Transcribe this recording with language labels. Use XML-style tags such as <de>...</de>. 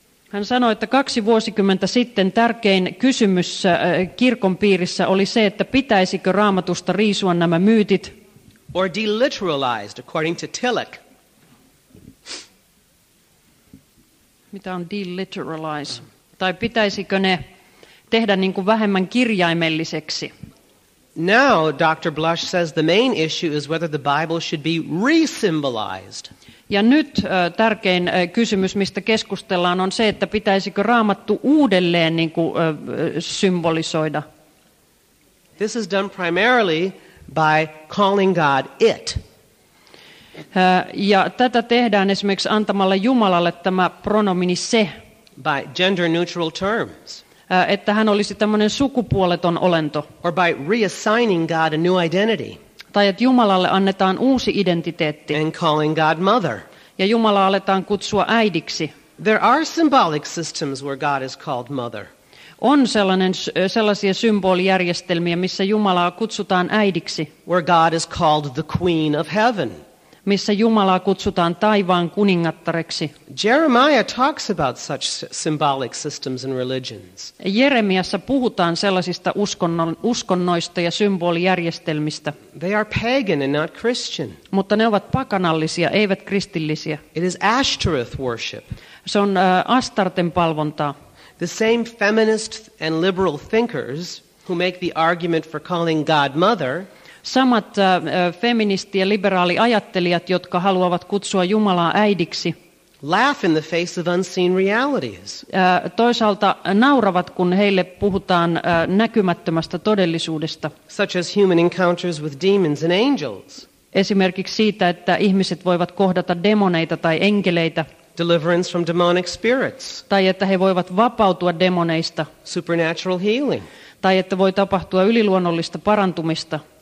<fi>Hän sanoi, että 20 vuotta sitten tärkein kysymys kirkon piirissä oli se, että pitäisikö Raamatusta riisua nämä myytit.</fi> <en>Or deliteralized, according to Tillich.</en> <fi>Mitä on deliteralize? Tai pitäisikö ne tehdä niin kuin vähemmän kirjaimelliseksi?</fi> <en>Now, Dr. Blush says the main issue is whether the Bible should be re-symbolized.</en> <fi>Ja nyt tärkein kysymys, mistä keskustellaan, on se, että pitäisikö Raamattu uudelleen niin kuin, symbolisoida.</fi> <en>This is done primarily by calling God it.</en> <fi>Ja tätä tehdään esimerkiksi antamalla Jumalalle tämä pronomini se.</fi> <en>By gender neutral terms.</en> <fi>Että hän olisi tämmöinen sukupuoleton olento.</fi> <en>Or by reassigning God a new identity.</en> <fi>Tai että Jumalalle annetaan uusi identiteetti.</fi> <en>And calling God mother.</en> <fi>Ja Jumala aletaan kutsua äidiksi.</fi> <en>There are symbolic systems where God is called mother.</en> <fi>On sellaisia symbolijärjestelmiä, missä Jumalaa kutsutaan äidiksi.</fi> <en>Where God is called the queen of heaven.</en> <fi>Missä Jumalaa kutsutaan taivaan kuningattareksi.</fi> <en>Jeremiah talks about such symbolic systems and religions.</en> <fi>Jeremiassa puhutaan sellaisista uskonnoista ja symbolijärjestelmistä.</fi> <en>They are pagan and not Christian.</en> <fi>Mutta ne ovat pakanallisia, eivät kristillisiä.</fi> <en>It is Ashtoreth worship.</en> <fi>Se on Astarten palvontaa.</fi> <en>The same feminist and liberal thinkers who make the argument for calling God mother.</en> <fi>Samat feministi- ja liberaaliajattelijat, jotka haluavat kutsua Jumalaa äidiksi,</fi> <en>laugh in the face of unseen realities.</en> <fi>Toisaalta nauravat, kun heille puhutaan näkymättömästä todellisuudesta.</fi> <en>Such as human encounters with demons and angels.</en> <fi>Esimerkiksi siitä, että ihmiset voivat kohdata demoneita tai enkeleitä.</fi> <en>Deliverance from demonic spirits.</en> <fi>Tai että he voivat vapautua demoneista.</fi> <en>Supernatural healing.</en> <fi>Tai että voi tapahtua yliluonnollista parantumista.</fi>